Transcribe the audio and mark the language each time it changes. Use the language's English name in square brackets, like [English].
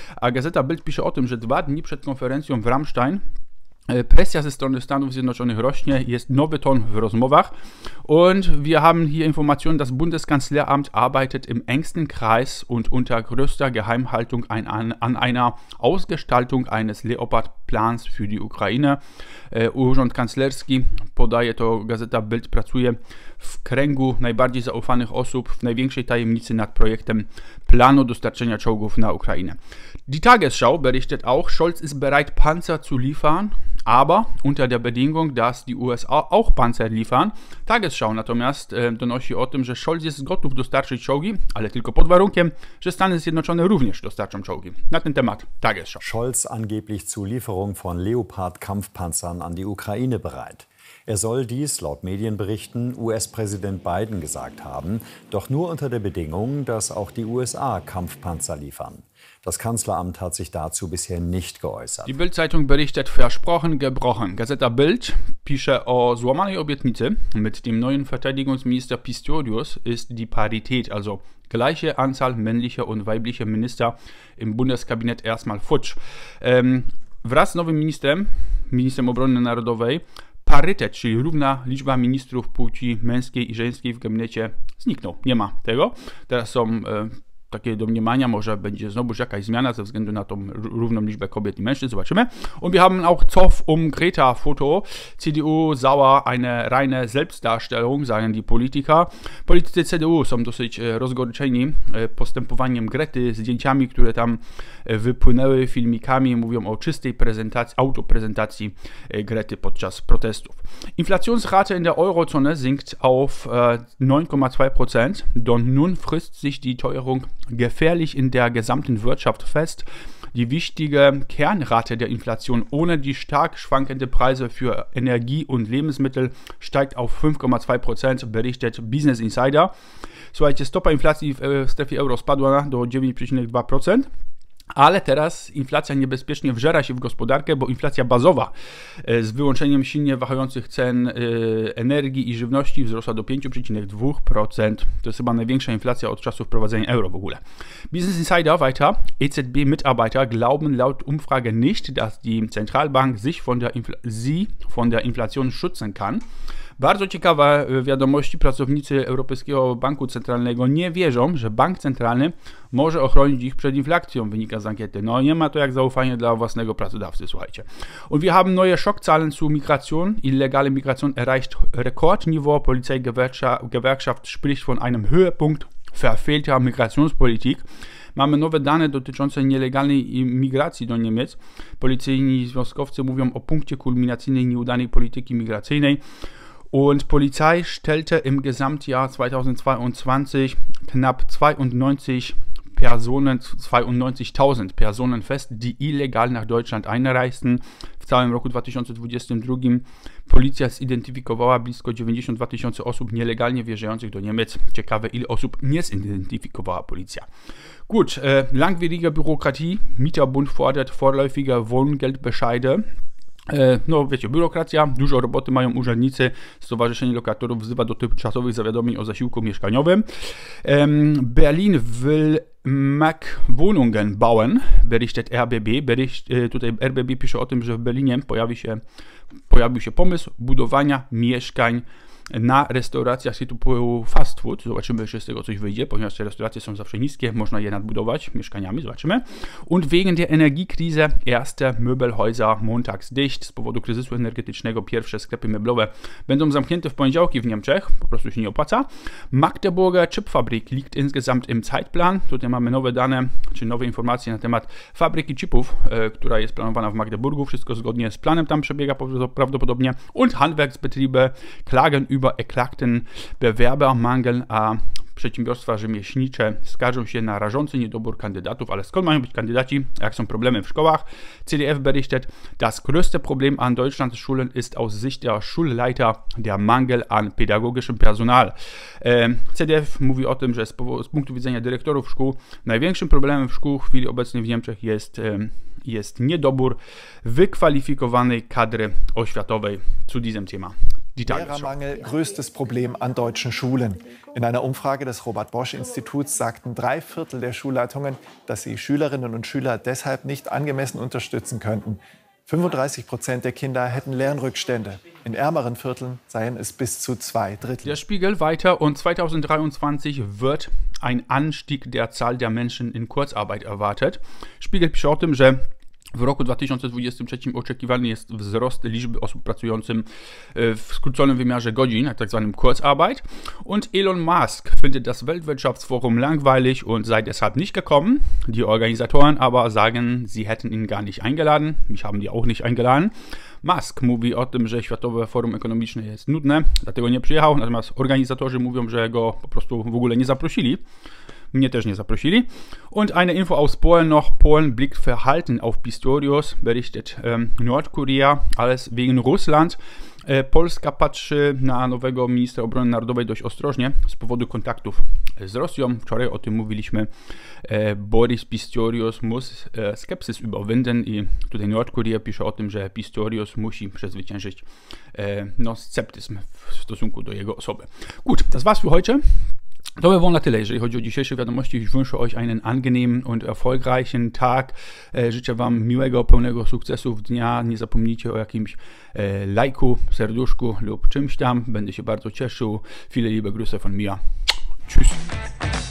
[Polish] A Gazeta Bild pisze o tym, że dwa dni przed konferencją w Rammstein presja ze strony Stanów Zjednoczonych rośnie, jest nowy ton w rozmowach [German] und wir haben hier Informationen, das Bundeskanzleramt arbeitet im engsten Kreis und unter größter Geheimhaltung an einer Ausgestaltung eines Leopard-Plans für die Ukraine. [Polish] Urząd Kanclerski, podaje to Gazeta Bild, pracuje w kręgu najbardziej zaufanych osób w największej tajemnicy nad projektem planu dostarczenia czołgów na Ukrainę. [German] Die Tagesschau berichtet auch, Scholz ist bereit, Panzer zu liefern, aber unter der Bedingung, dass die USA auch Panzer liefern. [Polish] Tagesschau natomiast donosi o tym, że Scholz jest gotów dostarczyć czołgi, ale tylko pod warunkiem, że Stany Zjednoczone również dostarczą czołgi. Na ten temat Tagesschau. [German] Scholz angeblich zu Lieferung von Leopard-Kampfpanzern an die Ukraine bereit. Er soll dies, laut Medienberichten, US-Präsident Biden gesagt haben, doch nur unter der Bedingung, dass auch die USA Kampfpanzer liefern. Das Kanzleramt hat sich dazu bisher nicht geäußert. Die Bild-Zeitung berichtet, versprochen, gebrochen. [Polish] Gazeta Bild pisze o złamanej obietnicy. [German] Mit dem neuen Verteidigungsminister Pistorius ist die Parität, also gleiche Anzahl männlicher und weiblicher Minister im Bundeskabinett erstmal futsch. [Polish] Wraz z nowym ministrem, ministrem obrony narodowej, parytet, czyli równa liczba ministrów płci męskiej i żeńskiej w gabinecie zniknął. Nie ma tego. Teraz są takie domniemania, może będzie znowuż jakaś zmiana ze względu na tą równą liczbę kobiet i mężczyzn. Zobaczymy. [German] Und wir haben auch Zoff um Greta Foto. CDU sauer, eine reine Selbstdarstellung, sagen die Politiker. [Polish] Politycy CDU są dosyć rozgoryczeni postępowaniem Grety, zdjęciami, które tam wypłynęły, filmikami, mówią o czystej prezentacji, autoprezentacji Grety podczas protestów. [German] Inflationsrate in der Eurozone sinkt auf 9,2%. Und nun frisst sich die Teuerung gefährlich in der gesamten Wirtschaft fest. Die wichtige Kernrate der Inflation ohne die stark schwankenden Preise für Energie und Lebensmittel steigt auf 5,2%, berichtet Business Insider. [Polish] Słuchajcie, stopa inflacji w strefie euro spadła do 9,2%. Ale teraz inflacja niebezpiecznie wżera się w gospodarkę, bo inflacja bazowa z wyłączeniem silnie wahających cen energii i żywności wzrosła do 5,2%. To jest chyba największa inflacja od czasu wprowadzenia euro w ogóle. [German] Business Insider weiter. EZB-Mitarbeiter glauben laut Umfrage nicht, dass die Zentralbank sich von der Inflation schützen kann. [Polish] Bardzo ciekawe wiadomości, pracownicy Europejskiego Banku Centralnego nie wierzą, że bank centralny może ochronić ich przed inflacją, wynika z ankiety. No nie ma to jak zaufanie dla własnego pracodawcy, słuchajcie. [German] Und wir haben neue Schockzahlen zu Migration. Illegale Migration erreicht Rekordniveau. Polizeigewerkschaft spricht von einem Höhepunkt verfehlter Migrationspolitik. [Polish] Mamy nowe dane dotyczące nielegalnej imigracji do Niemiec. Policyjni związkowcy mówią o punkcie kulminacyjnej nieudanej polityki migracyjnej. [German] Und Polizei stellte im Gesamtjahr 2022 knapp 92.000 Personen fest, die illegal nach Deutschland einreisten. [Polish] W całym roku 2022 policja zidentyfikowała blisko 92 tysiące osób nielegalnie wjeżdżających do Niemiec. Ciekawe, ile osób nie zidentyfikowała policja. [German] Gut, langwierige Bürokratie. Mieterbund fordert vorläufige Wohngeldbescheide. [Polish] No wiecie, biurokracja, dużo roboty mają urzędnicy, Stowarzyszenie Lokatorów wzywa do tymczasowych zawiadomień o zasiłku mieszkaniowym. [German] Berlin will Mac Wohnungen bauen, berichtet RBB. [Polish] Tutaj RBB pisze o tym, że w Berlinie pojawił się pomysł budowania mieszkań na restauracjach typu fast food. Zobaczymy, czy z tego coś wyjdzie, ponieważ te restauracje są zawsze niskie, można je nadbudować mieszkaniami, zobaczymy. [German] Und wegen der Energiekrise erste Möbelhäuser montags dicht. [Polish] Z powodu kryzysu energetycznego pierwsze sklepy meblowe będą zamknięte w poniedziałki w Niemczech, po prostu się nie opłaca. [German] Magdeburger Chipfabrik liegt insgesamt im Zeitplan. [Polish] Tutaj mamy nowe dane, czy nowe informacje na temat fabryki chipów, która jest planowana w Magdeburgu. Wszystko zgodnie z planem tam przebiega prawdopodobnie. [German] Und Handwerksbetriebe klagen über erklärten Bewerbermangel, [Polish] a przedsiębiorstwa rzemieślnicze skarżą się na rażący niedobór kandydatów. Ale skąd mają być kandydaci, jak są problemy w szkołach? [German] CDF berichtet, das größte Problem an Deutschlands Schulen ist aus Sicht der Schulleiter der Mangel an pädagogischem Personal. [Polish] CDF mówi o tym, że z punktu widzenia dyrektorów szkół największym problemem w szkół w chwili obecnej w Niemczech jest niedobór wykwalifikowanej kadry oświatowej. [German] Zu diesem Thema. Lehrermangel, größtes Problem an deutschen Schulen. In einer Umfrage des Robert-Bosch-Instituts sagten 3/4 der Schulleitungen, dass sie Schülerinnen und Schüler deshalb nicht angemessen unterstützen könnten. 35% der Kinder hätten Lernrückstände. In ärmeren Vierteln seien es bis zu 2/3. Der Spiegel weiter, und 2023 wird ein Anstieg der Zahl der Menschen in Kurzarbeit erwartet. [Polish] Spiegel pisze o tym, że w roku 2023 oczekiwany jest wzrost liczby osób pracujących w skróconym wymiarze godzin, tak zwanym Kurzarbeit. [German] Und Elon Musk findet das Weltwirtschaftsforum langweilig und sei deshalb nicht gekommen. Die Organisatoren aber sagen, sie hätten ihn gar nicht eingeladen. Mich haben die auch nicht eingeladen. [Polish] Musk mówi o tym, że Światowe Forum Ekonomiczne jest nudne, dlatego nie przyjechał. Natomiast organizatorzy mówią, że go po prostu w ogóle nie zaprosili. Mnie też nie zaprosili. [German] Und eine Info aus Polen noch. Polen blickt verhalten auf Pistorius, berichtet Nordkorea, alles wegen Russland. [Polish] Polska patrzy na nowego ministra obrony narodowej dość ostrożnie z powodu kontaktów z Rosją. Wczoraj o tym mówiliśmy. [German] Boris Pistorius muss Skepsis überwinden. [Polish] I tutaj Nordkorea pisze o tym, że Pistorius musi przezwyciężyć sceptyzm w stosunku do jego osoby. [German] Gut, das war's für heute. [Polish] To by było na tyle, jeżeli chodzi o dzisiejsze wiadomości. [German] Ich wünsche euch einen angenehmen und erfolgreichen Tag. [Polish] Życzę wam miłego, pełnego sukcesów dnia. Nie zapomnijcie o jakimś lajku, serduszku lub czymś tam. Będę się bardzo cieszył. [German] Viele liebe Grüße von mir. Tschüss.